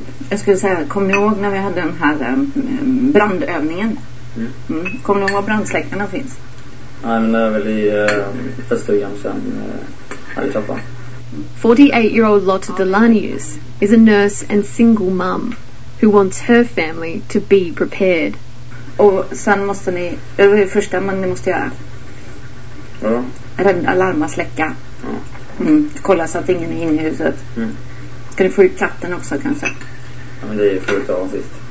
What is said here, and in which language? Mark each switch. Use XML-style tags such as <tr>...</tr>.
<sv>Jag skulle säga, kommer ni ihåg när vi hade den här brandövningen? Mm. Kommer ni ihåg var brandsläckarna finns? Nej, men det är väl i Västerjämt sen här i Trappan.</sv> <en>48-year-old Lotta Delanius is a nurse and single mum who wants her family to be prepared.</en> <sv>Och sen måste ni, det är första man ni måste göra. Ja. Alarma, släcka. Ja. Mm. Kolla så att ingen är inne i huset. Mm. Kan du få ut katten också kanske? Ja, men det är ju förut av sist.</sv>